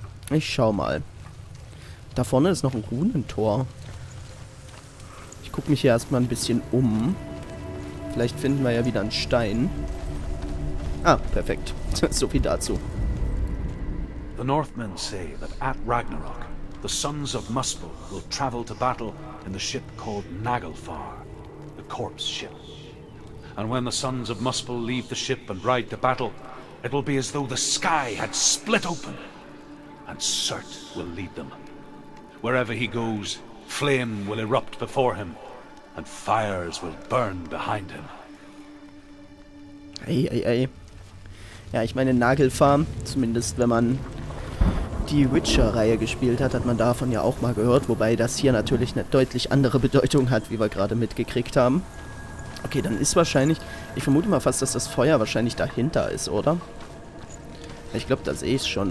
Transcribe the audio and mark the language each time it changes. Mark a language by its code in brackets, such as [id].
[de] Ich schau mal. Da vorne ist noch ein Runentor. Ich guck mich hier erstmal ein bisschen um. Vielleicht finden wir ja wieder einen Stein. Ah, perfekt. So viel dazu. [en] The Northmen say that at Ragnarok, the sons of Muspel will travel to battle in the ship called Naglfar, the corpse ship. And when the sons of Muspel leave the ship and ride to battle, it will be as though the sky had split open. And Surt will lead them. Wherever he goes, flame will erupt before him, and fires will burn behind him. [de] Ei, ei, ei. Ja, ich meine Naglfar, zumindest wenn man die Witcher-Reihe gespielt hat, hat man davon ja auch mal gehört, wobei das hier natürlich eine deutlich andere Bedeutung hat, wie wir gerade mitgekriegt haben. Okay, dann ist wahrscheinlich, ich vermute mal fast, dass das Feuer wahrscheinlich dahinter ist, oder? Ich glaube, da sehe ich es schon.